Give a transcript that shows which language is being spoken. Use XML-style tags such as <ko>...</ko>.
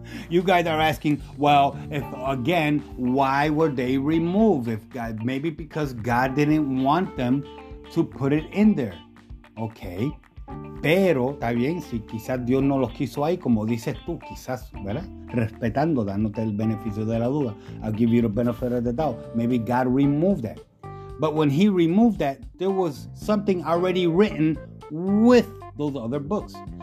<en>You guys are asking, well, if again, why were they removed? If God, maybe because God didn't want them to put it in there. Okay.</en> <es>Pero, está bien, si quizás Dios no los quiso ahí, como dices tú, quizás, ¿verdad? Respetando, dándote el beneficio de la duda.</es> <en>I'll give you the benefit of the doubt. Maybe God removed that. But when he removed that, there was something already written with those other books.</en>